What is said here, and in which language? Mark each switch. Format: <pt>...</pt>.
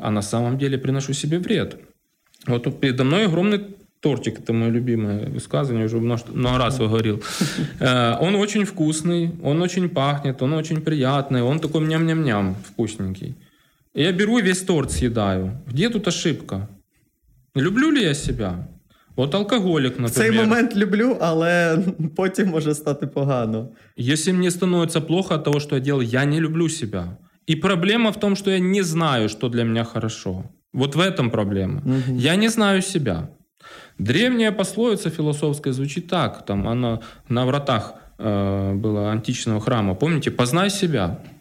<ru>А на самом деле приношу себе вред. Вот передо мной огромный тортик, это мое любимое высказывание, уже много раз говорил. Он очень вкусный, он очень пахнет, он очень приятный, он такой ням-ням-ням вкусненький. И я беру и весь торт съедаю. Где тут ошибка? Люблю ли я себя? Вот алкоголик, например.</ru> <uk>В цей момент люблю, але потім може стати погано.</uk> <ru>Если мне становится плохо от того, что я делаю, я не люблю себя. И проблема в том, что я не знаю, что для меня хорошо. Вот в этом проблема. Я не знаю себя. Древняя пословица философская звучит так, там она на вратах была античного храма, помните, познай себя.</ru>